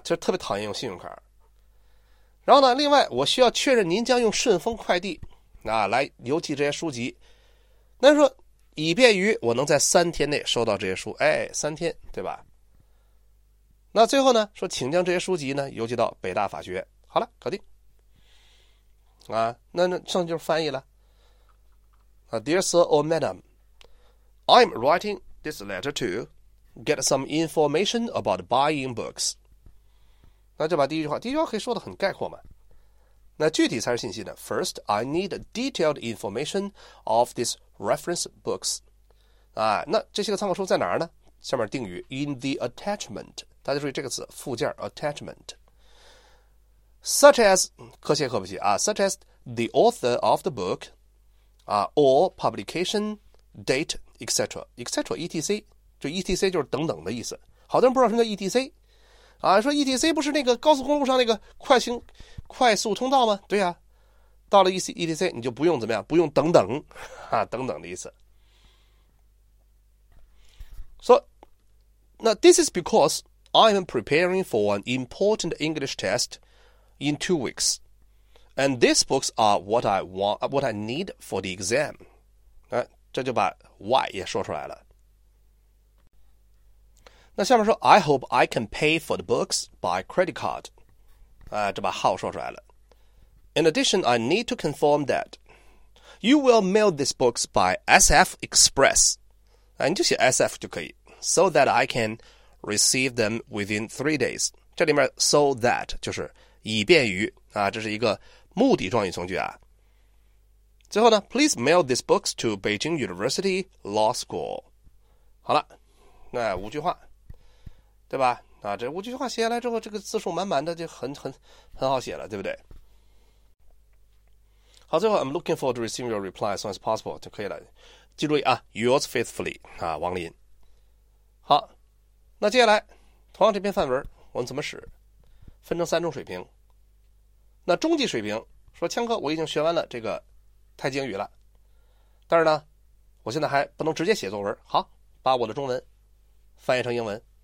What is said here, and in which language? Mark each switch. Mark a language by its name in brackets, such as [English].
[Chinese] 就特别讨厌用信用卡。然后呢，另外我需要确认您将用顺丰快递来邮寄这些书籍。那说。以便于我能在3天内收到这些书，哎，3天，对吧？那最后呢，说请将这些书籍呢邮寄到北大法学，好了，搞定。那剩下就是翻译了。 [English] Dear Sir or Madam, I'm writing this letter to get some information about buying books. [Chinese] 那就把第一句话可以说得很概括嘛。那具体才是信息呢。 [English] First, I need detailed information of this reference books. [Chinese] 那这些个参考书在哪儿呢？下面定语 [English] in the attachment. [Chinese] 大家注意这个词，附件 attachment. [English] Such as [Chinese] 可写可不写啊 [English] ，such as the author of the book, or publication date, etc. etc. etc. [Chinese] 就 etc 就是等等的意思。好多人不知道什么叫 etc 啊，说 etc 不是那个高速公路上那个快速通道吗？对啊，到了 etc 你就不用怎么样，不用等等啊，等等的意思。 [English] So, now this is because I'm preparing for an important English test in 2 weeks. And these books are what I need for the exam. [Chinese] 这就把 why 也说出来了。那下面说 [English] I hope I can pay for the books by credit card. [Chinese] 这把 how 说出来了。 [English] In addition, I need to confirm that you will mail these books by SF Express. [Chinese] 你就写 SF 就可以。 [English] So that I can receive them within 3 days. [Chinese] 这里面 so that 就是以便于啊，这是一个目的状语从句啊。最后呢 [English] ，please mail these books to Beijing University Law School. [Chinese] 好了，那五句话，对吧？啊，这五句话写下来之后，这个字数满满的，就很好写了，对不对？好，最后 [English] I'm looking forward to receiving your reply as soon as possible 就可以了。 [Chinese] 记住啊 ， [English] yours faithfully [Chinese] 啊，王林。好，那接下来同样这篇范文我们怎么使，分成三种水平。那中级水平说，枪哥我已经学完了这个太极英语了，但是呢我现在还不能直接写作文，好，把我的中文翻译成英文。